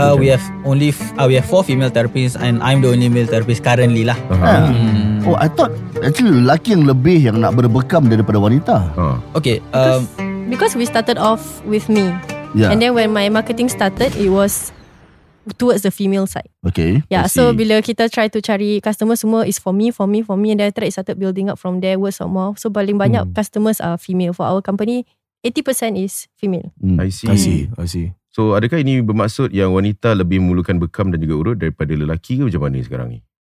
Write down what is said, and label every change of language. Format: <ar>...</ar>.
<en>We have 4 female therapists and I'm the only male therapist currently lah. Uh-huh. Oh, I thought actually</en> <ms>lelaki yang lebih yang nak berbekam daripada wanita. Okay.</ms> <en>Because we started off with me, yeah. And then when my marketing started, it was towards the female side. Okay. Yeah. So</en> <ms>bila kita</ms> <en>try to</en> <ms>cari customer semua</ms> <en>is for me, and then it started building up from there words or more. So</en> <ms>paling banyak</ms> <en>customers are female for our company. 80% is female. I see.</en> <ms>So adakah ini bermaksud yang wanita lebih memerlukan bekam dan juga urut daripada lelaki ke macam mana sekarang ni?</ms>